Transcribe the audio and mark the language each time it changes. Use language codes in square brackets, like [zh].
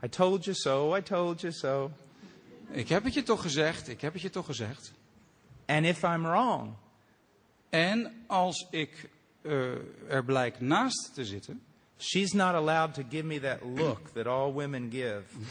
[en] I told you so, I told you so. [nl] Ik heb het je toch gezegd, ik heb het je toch gezegd. [en] And if I'm wrong. [nl] En als ik er blijk naast te zitten. [en] She's not allowed to give me that look that all women give.